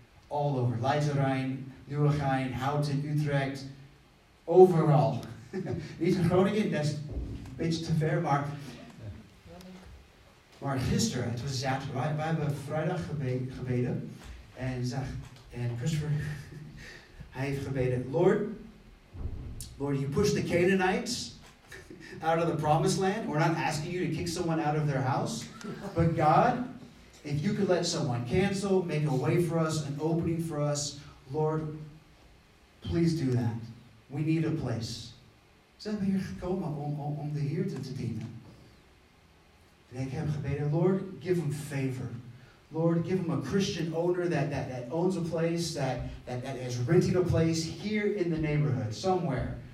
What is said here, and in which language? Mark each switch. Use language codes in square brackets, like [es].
[en] All over Leidse Rijn, Nieuwegein, Houten, Utrecht. Overal. [nl] Niet in Groningen, dat is een beetje te ver. Maar gisteren, het was zaterdag. Wij hebben vrijdag gebeden. En Christopher, hij heeft gebeden. [en] Lord, you push the Canaanites out of the promised land. We're not asking you to kick someone out of their house. But God, if you could let someone cancel, make a way for us, an opening for us, Lord, please do that. We need a place. [nl] Ze hebben hier gekomen om de Heer te dienen. En ik heb gebeden, [en] Lord, give them favor. Lord, give them a Christian owner that owns a place, that is renting a place here in the neighborhood, somewhere.